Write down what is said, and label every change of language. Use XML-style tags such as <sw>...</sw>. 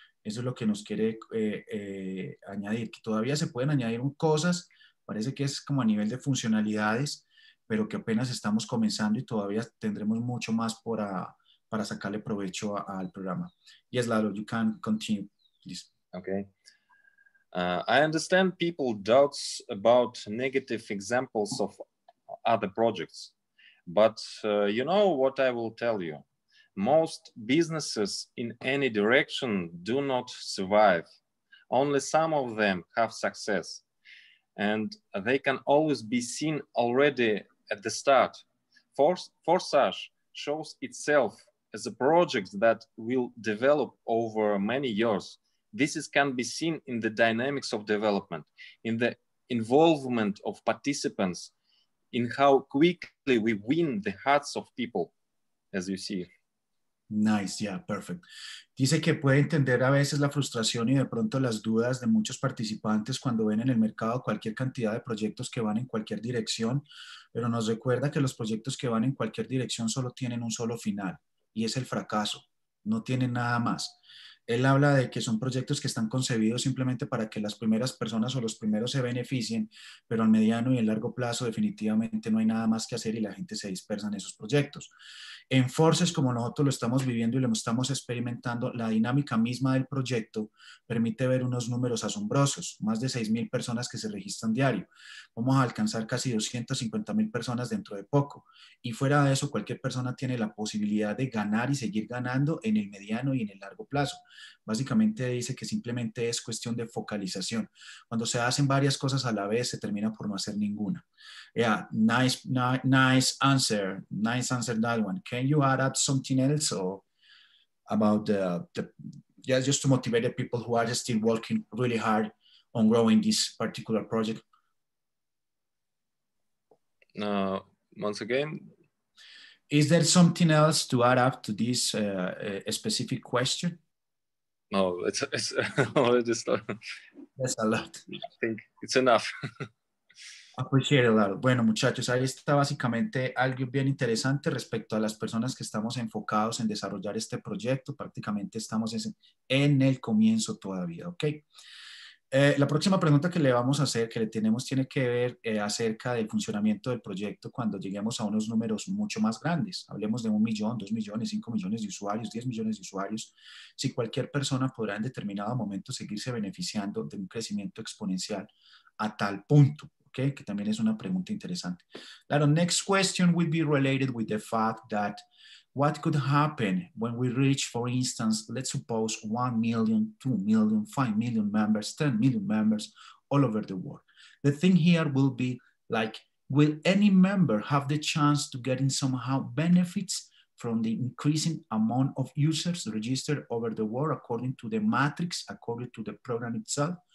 <es>Eso es lo que nos quiere añadir, que todavía se pueden añadir cosas, parece que es como a nivel de funcionalidades, pero que apenas estamos comenzando y todavía tendremos mucho más para sacarle provecho al programa.</es> <en>Yes, Lalo, you can continue, please. Okay. I understand people doubts about negative examples of other projects, but you know what I will tell you. Most businesses in any direction do not survive. Only some of them have success, and they can always be seen already at the start. Forsage shows itself as a project that will develop over many years. This can be seen in the dynamics of development, in the involvement of participants, in how quickly we win the hearts of people, as you see. Nice, yeah, perfect.</en> <es>Dice que puede entender a veces la frustración y de pronto las dudas de muchos participantes cuando ven en el mercado cualquier cantidad de proyectos que van en cualquier dirección, pero nos recuerda que los proyectos que van en cualquier dirección solo tienen un solo final y es el fracaso, no tienen nada más. Él habla de que son proyectos que están concebidos simplemente para que las primeras personas o los primeros se beneficien, pero al mediano y al largo plazo definitivamente no hay nada más que hacer y la gente se dispersa en esos proyectos. En Forsage, como nosotros lo estamos viviendo y lo estamos experimentando, la dinámica misma del proyecto permite ver unos números asombrosos, más de 6,000 personas que se registran diario. Vamos a alcanzar casi 250,000 personas dentro de poco. Y fuera de eso, cualquier persona tiene la posibilidad de ganar y seguir ganando en el mediano y en el largo plazo. Básicamente dice que simplemente es cuestión de focalización. Cuando se hacen varias cosas a la vez, se termina por no hacer ninguna.</es> <en>Yeah, nice answer that one. Can you add something else or about just to motivate the people who are still working really hard on growing this particular project? Once again, is there something else to add up to this specific question? No, it's already started. That's a lot. I think it's enough. Appreciate a lot.</en> <es>Bueno, muchachos, ahí está básicamente algo bien interesante respecto a las personas que estamos enfocados en desarrollar este proyecto. Prácticamente estamos en el comienzo todavía, ¿ok? La próxima pregunta que le vamos a hacer, que le tenemos, tiene que ver acerca del funcionamiento del proyecto cuando lleguemos a unos números mucho más grandes. Hablemos de 1 millón, 2 millones, 5 millones de usuarios, 10 millones de usuarios. Si cualquier persona podrá en determinado momento seguirse beneficiando de un crecimiento exponencial a tal punto. Okay, que también es una pregunta interesante.</es> <en>Claro, next question will be related with the fact that what could happen when we reach, for instance, let's suppose 1 million, 2 million, 5 million members, 10 million members all over the world. The thing here will be like, will any member have the chance to get in somehow benefits from the increasing amount of users registered over the world according to the matrix, according to the program itself?</en>